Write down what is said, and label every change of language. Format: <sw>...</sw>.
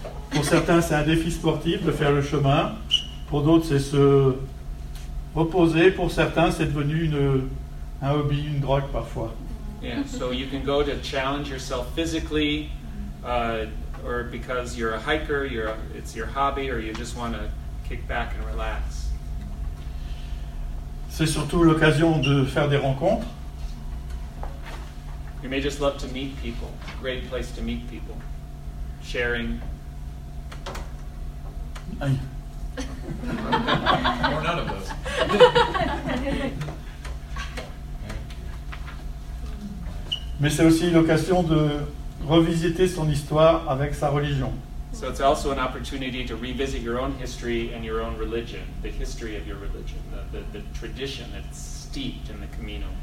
<fr>Pour certains, c'est un défi sportif de faire le chemin. Pour d'autres, c'est se reposer. Pour certains, c'est devenu un hobby, une drogue parfois.</fr> <en>Yeah, so you can go to challenge yourself physically, or because you're a hiker, it's your hobby, or you just want to kick back and relax.</en> <fr>C'est surtout l'occasion de faire des rencontres.</fr> <en>You may just love to meet people. Great place to meet people. Sharing. Aïe. Or none of those.</en> <fr>Mais c'est aussi l'occasion de revisiter son histoire avec sa religion.</fr> <en>So it's also an opportunity to revisit your own history and your own religion, the history of your religion, the tradition that's steeped in the Camino.</en>